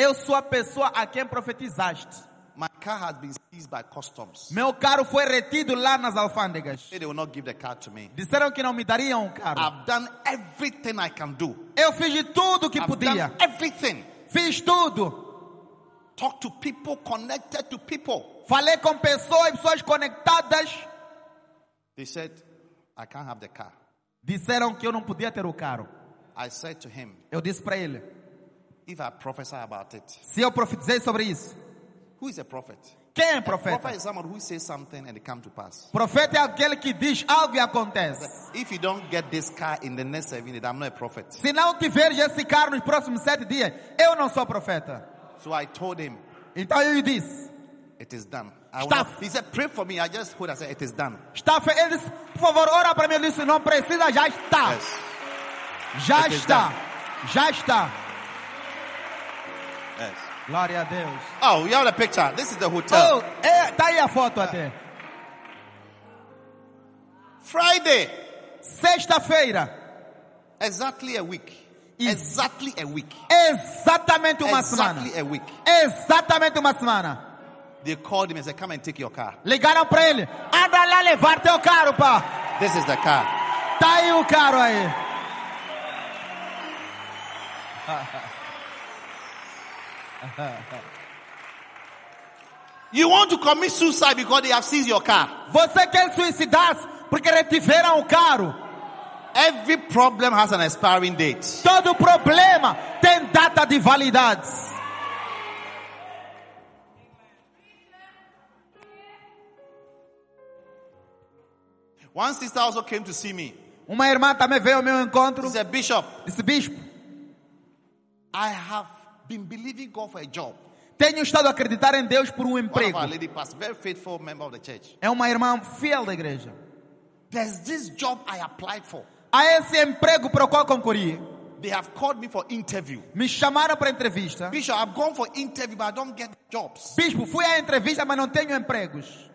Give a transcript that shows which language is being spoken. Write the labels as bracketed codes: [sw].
[pt] Eu sou a pessoa a quem profetizaste. [en] My car has been seized by customs. [pt] Meu carro foi retido lá nas alfândegas. [en] They will not give the car to me. [pt] Disseram que não me dariam carro. [en] I've done everything I can do. [pt] Eu fiz tudo que [en] I've [pt] podia. [en] Done everything. [pt] Fiz tudo. [en] Talk to people, connected to people. [pt] Falei com pessoas, pessoas conectadas. [en] They said, I can't have the car. [pt] Disseram que eu não podia ter o carro. [en] I said to him, [pt] eu disse para ele, [en] if I prophesy about it, [pt] se eu profetizei sobre isso, [en] who is a prophet? [pt] Quem é um profeta? [en] A prophet is someone who says something and it comes to pass. [pt] Profeta é aquele que diz algo e acontece. [en] If you don't get this car in the next 7 days, I'm not a prophet. [pt] Se não tiver esse carro nos próximos 7 dias, eu não sou profeta. [en] So I told him, [pt] então eu disse, [en] it is done. Staff, he said, pray for me. I just heard. I said, it is done. [pt] Staff, ele disse, por favor, ora para mim. Ele disse, não precisa, já está. [en] Yes. [pt] Já it está. Já está. [en] Yes. [pt] Glória a Deus. [en] Oh, you have a picture. This is the hotel. [pt] Oh, é, tá aí a foto até. [en] Friday. [pt] Sexta-feira. [en] Exactly a week. Exactly a week. [pt] Exatamente uma [en] exactly [pt] semana. [en] Exactly a week. [pt] Exatamente uma semana. [en] They called him and said, come and take your car. [pt] Ligaram para ele. Anda lá levar teu carro, pá. [en] This is the car. [pt] Tá aí o carro aí. [en] You want to commit suicide because they have seized your car. [pt] Você quer suicidar porque retiveram o carro. [en] Every problem has an expiring date. [pt] Todo problema tem data de validade. [en] One sister also came to see me. [pt] Uma irmã também veio ao meu encontro. [en] She said, Bishop. [pt] Disse, Bispo. [en] I have been believing God for a job. [pt] Tenho estado a acreditar em Deus por emprego. [en] One of our lady pastor, very faithful member of the church. [pt] É uma irmã fiel da igreja. [en] There's this job I applied for. [pt] Há esse emprego para o qual concorri. [en] They have called me for interview. [pt] Me chamaram para entrevista. [en] Bishop, I've gone for interview, but I don't get jobs. [pt] Bispo, fui à entrevista, mas não tenho empregos.